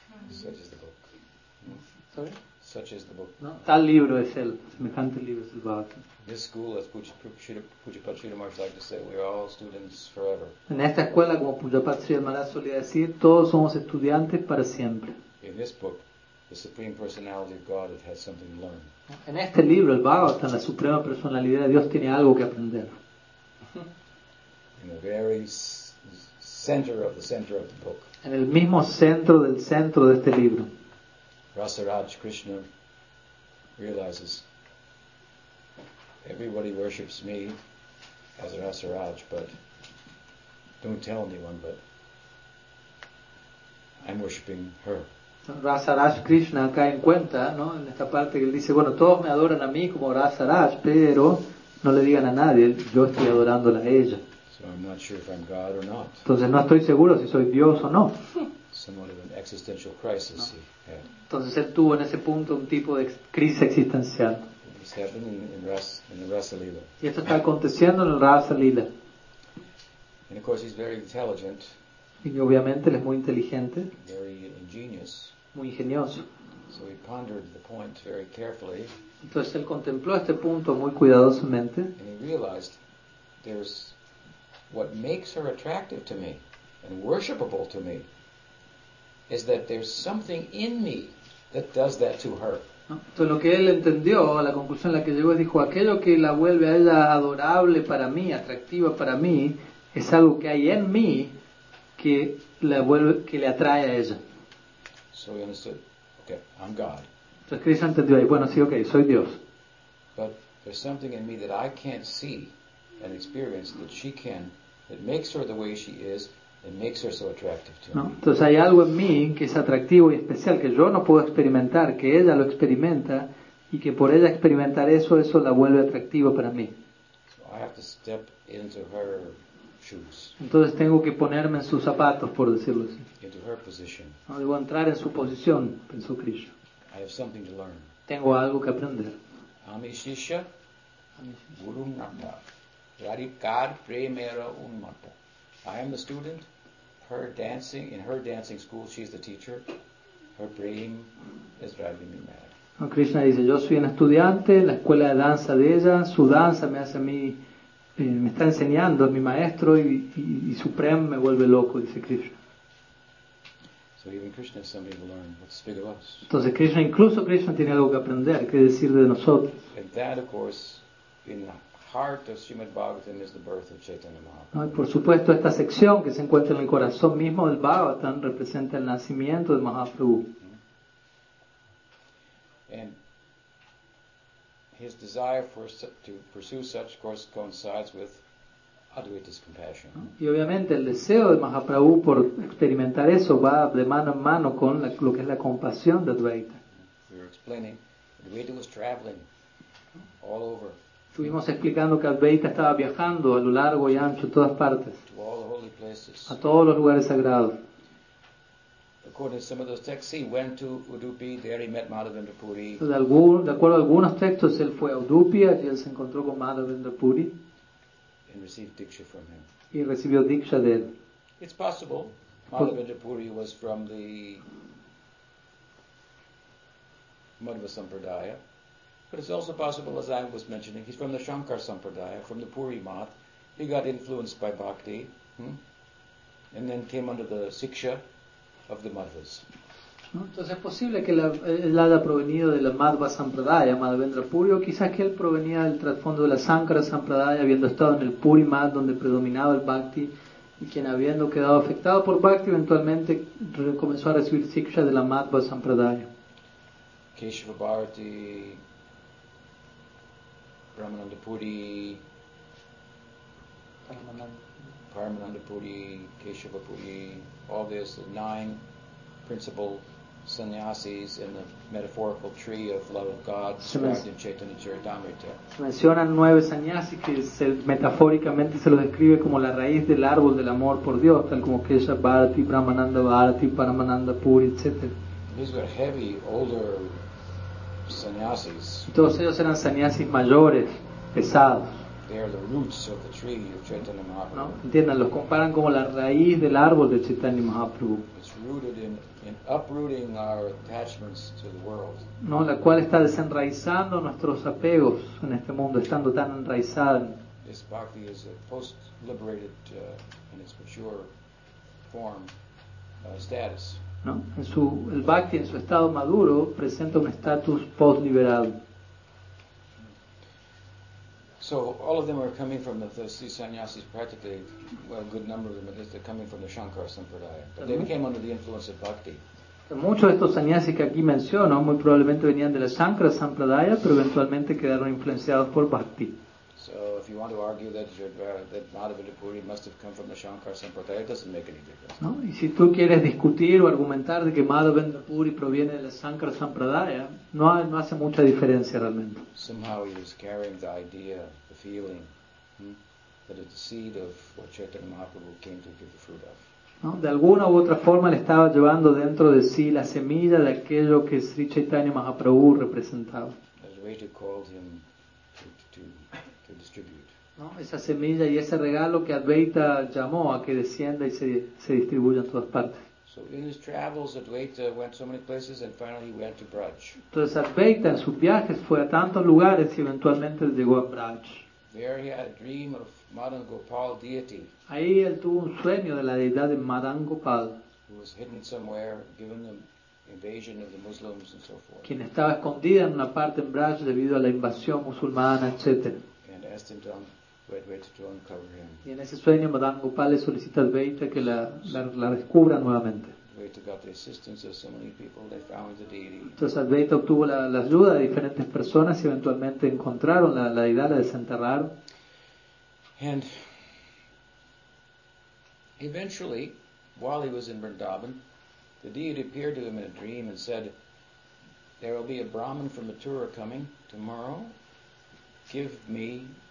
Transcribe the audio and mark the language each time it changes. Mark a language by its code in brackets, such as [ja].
[en] Such is the book. Sorry? Such is the book. [es] No, tal libro es el, semejante libro es el Bhagavatam. [en] This school, as Pujapati Sri Maharaj liked to say, we are all students forever. [es] En esta escuela, como Pujapati Sri Maharaj solía decir, todos somos estudiantes para siempre. [en] In this book, the Supreme Personality of God has something to learn. [es] En este libro, el Bhagavatam, la Suprema Personalidad de Dios, tiene algo que aprender. [en] In the very center of the center of the book. [es] En el mismo centro del centro de este libro. [en] Rasaraj Krishna realizes. Everybody worships me as Rasaraj, but don't tell anyone, but I'm worshiping her. [es] Rasaraj Krishna cae en cuenta, ¿no? En esta parte que él dice, bueno, todos me adoran a mí como Rasaraj, pero no le digan a nadie, yo estoy adorándola a ella. [en] So I'm not sure if I'm God or not. [es] Entonces no estoy seguro si soy Dios o no. [en] Somewhat of an existential crisis, no. He had. [es] Entonces él tuvo en ese punto un tipo de crisis existencial. [en] In the Rasa Lila. [es] Y esto está aconteciendo en el Rasa Lila. [en] And of course he's very intelligent. [es] Y obviamente él es muy inteligente. [en] Very ingenious. [es] Muy ingenioso. [en] So he pondered the point very carefully. [es] Entonces él contempló este punto muy cuidadosamente. [en] And he realized there's what makes her attractive to me and worshipable to me is that there's something in me that does that to her. [es] Entonces lo que él entendió, la conclusión a la que llegó, es dijo, aquello que la vuelve a ella adorable para mí, atractiva para mí, es algo que hay en mí que la vuelve, que le atrae a ella. [en] So he understood, okay, I'm God. [es] Entonces Krishna entendió ahí, bueno, sí, ok, soy Dios. [en] But there's something in me that I can't see and experience that she can, that makes her the way she is. It makes her so attractive to me. [es] No. Entonces hay algo en mí que es atractivo y especial, que yo no puedo experimentar, que ella lo experimenta, y que por ella experimentar eso la vuelve atractiva para mí. [en] I have to step into her shoes. [es] Entonces tengo que ponerme en sus zapatos, por decirlo así. [en] Into her position. [es] No, debo entrar en su posición, pensó Krishna. [en] I have something to learn. [es] Tengo algo que aprender. [bn] Amishisha, Guru Nata, Radikar Premera Unmata. [en] I am the student. Her dancing, in her dancing school, she's the teacher. Her brain is driving me mad. [es] No, Krishna dice, yo soy un estudiante, la escuela de danza de ella, su danza me hace a mí, me está enseñando, es mi maestro y supremo me vuelve loco, dice Krishna. [en] So even Krishna has something to learn. What to speak of us? [es] Entonces Krishna, incluso Krishna tiene algo que aprender, que decir de nosotros. [en] And that, of course, in the heart of Srimad Bhagavatam is the birth of Chaitanya Mahaprabhu. [es] No, y por supuesto esta sección que se encuentra en el corazón mismo del Bhagavatam representa el nacimiento de Mahaprabhu. [en] And his desire for to pursue such course coincides with Advaita's compassion. [es] Y obviamente el deseo de Mahaprabhu por experimentar eso va de mano en mano con lo que es la compasión de Advaita. [en] We were explaining Advaita was traveling all over. [es] Estuvimos explicando que Advaita estaba viajando a lo largo y ancho, a todas partes, [en] to all the holy places. [es] A todos los lugares sagrados. [en] According to some of those texts, he went to Udupi, there he met Madhavendra Puri. [es] De acuerdo a algunos textos, él fue a Udupi, allí él se encontró con Madhavendra Puri. [en] And received diksha from him. [es] Y recibió diksha de él. [en] It's possible Madhavendra Puri was from the Madhva Sampradaya. But it's also possible, as I was mentioning, he's from the Shankar Sampradaya, from the Puri Math. He got influenced by Bhakti, and then came under the siksha of the Madhvas. [es] Entonces es posible que él haya provenido de la Madhva Sampradaya, Madhavendra Puri, o quizás que él provenía del trasfondo de la Shankara Sampradaya, habiendo estado en el Puri Math, donde predominaba el Bhakti, y quien habiendo quedado afectado por Bhakti, eventualmente comenzó a recibir siksha de la Madhva Sampradaya. [en] Keshava Bharati, Brahmananda Puri, Paramananda Puri, Keshava Puri, all this, the nine principal sannyasis in the metaphorical tree of love of God, described in Chaitanya Charitamrita. [es] Se mencionan nueve sannyasis que se, metafóricamente se los describe como la raíz del árbol del amor por Dios, tal como Kesha Bharati, Brahmananda Bharati, Paramananda Puri, etc. [en] These were heavy, older sannyasis. [es] Todos ellos eran sannyasis mayores, pesados. [en] They are the roots of the tree of Chaitanya Mahaprabhu. [es] No, entiendan, los comparan como la raíz del árbol de Chaitanya Mahaprabhu. [en] It's rooted in uprooting our attachments to the world. [es] No, la cual está desenraizando nuestros apegos en este mundo, estando tan enraizada. [en] This bhakti is a post-liberated, in its mature form, status. [es] No, en su, el bhakti en su estado maduro presenta un estatus post-liberado. [en] So all of them are coming from the sannyasis, practically, well, a good number of them at least, they're coming from the Shankara Sampradaya. But they came under the influence of Bhakti. [es] Muchos de estos sannyasis que aquí menciono muy probablemente venían de la Shankara Sampradaya, pero eventualmente quedaron influenciados por Bhakti. [en] So if you want to argue that that Madhavendra Puri must have come from the Shankara Sampradaya, it doesn't make any difference. [es] No, y si tú quieres discutir o argumentar de que Madhavendra Puri proviene de la Shankara Sampradaya, no hace mucha diferencia realmente. [en] Somehow he is carrying the idea, the feeling, that it's the seed of what Chaitanya Mahaprabhu came to give the fruit of. [es] No, de alguna u otra forma le estaba llevando dentro de sí la semilla de aquello que Sri Chaitanya Mahaprabhu representaba. [en] Advaita called him to [es] No, esa semilla y ese regalo que Advaita llamó a que descienda y se distribuya en todas partes. [en] So in his travels, Advaita went so many places, and finally he went to Braj. [es] Entonces Advaita en sus viajes fue a tantos lugares y eventualmente llegó a Braj. [en] There he had a dream of Madan Gopal deity. [es] Ahí él tuvo un sueño de la deidad de Madan Gopal. [en] Who was hidden somewhere, given the invasion of the Muslims and so forth. [es] Quien estaba escondida en una parte en Braj debido a la invasión musulmana, etcétera. [en] And asked him to Advaita to uncover him. [es] Y en ese sueño Madan Gopal le solicita a Advaita que la descubra nuevamente. [en] Advaita got the assistance of so many people, they found the deity. [es] Entonces Advaita obtuvo la ayuda de diferentes personas y eventualmente encontraron la deidad, la desenterraron. [en] And eventually, while he was in Vrindavan, the deity appeared to him in a dream and said, "There will be a Brahmin from Mathura coming tomorrow. Give me